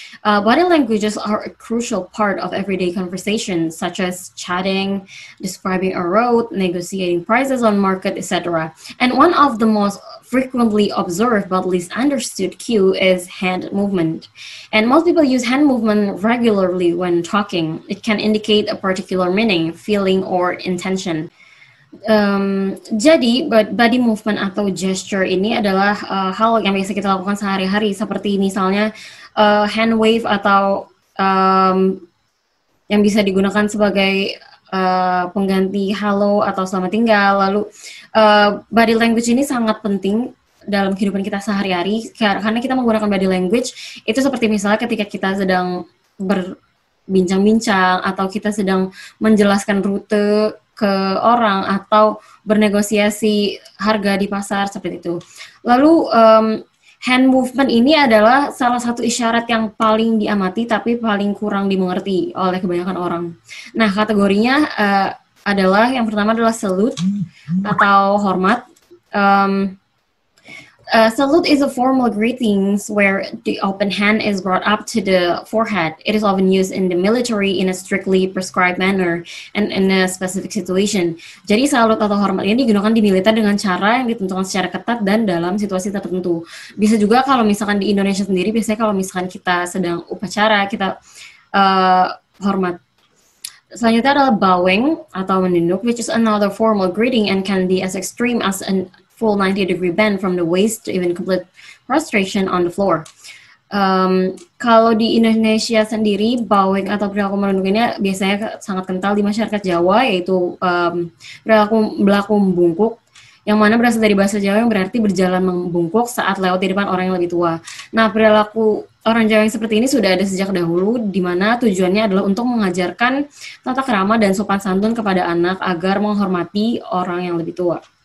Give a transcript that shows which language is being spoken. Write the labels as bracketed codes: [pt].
[en] Body languages are a crucial part of everyday conversations, such as chatting, describing a road, negotiating prices on market, etc. And one of the most frequently observed but least understood cue is hand movement. And most people use hand movement regularly when talking. It can indicate a particular meaning, feeling, or intention. [id] Jadi, body movement atau gesture ini adalah hal yang biasa kita lakukan sehari-hari, seperti misalnya hand wave atau yang bisa digunakan sebagai pengganti halo atau selamat tinggal. Lalu, body language ini sangat penting dalam kehidupan kita sehari-hari, karena kita menggunakan body language itu seperti misalnya ketika kita sedang berbincang-bincang atau kita sedang menjelaskan rute ke orang atau bernegosiasi harga di pasar, seperti itu. Lalu hand movement ini adalah salah satu isyarat yang paling diamati tapi paling kurang dimengerti oleh kebanyakan orang. Nah, kategorinya adalah yang pertama adalah salute atau hormat. [en] Salute is a formal greeting where the open hand is brought up to the forehead. It is often used in the military in a strictly prescribed manner and in a specific situation. [id] Jadi salute atau hormat ini digunakan di militer dengan cara yang ditentukan secara ketat dan dalam situasi tertentu. Bisa juga kalau misalkan di Indonesia sendiri, biasanya kalau misalkan kita sedang upacara, kita hormat. Selanjutnya adalah bowing atau menunduk, [en] which is another formal greeting and can be as extreme as an full 90-degree bend from the waist to even complete prostration on the floor. [id] Kalau di Indonesia sendiri, bowing atau perilaku menunduk ini biasanya sangat kental di masyarakat Jawa, yaitu perilaku berlaku membungkuk, yang mana berasal dari bahasa Jawa yang berarti berjalan membungkuk saat lewat di depan orang yang lebih tua. Nah, perilaku orang Jawa yang seperti ini sudah ada sejak dahulu, di mana tujuannya adalah untuk mengajarkan tata krama dan sopan santun kepada anak agar menghormati orang yang lebih tua.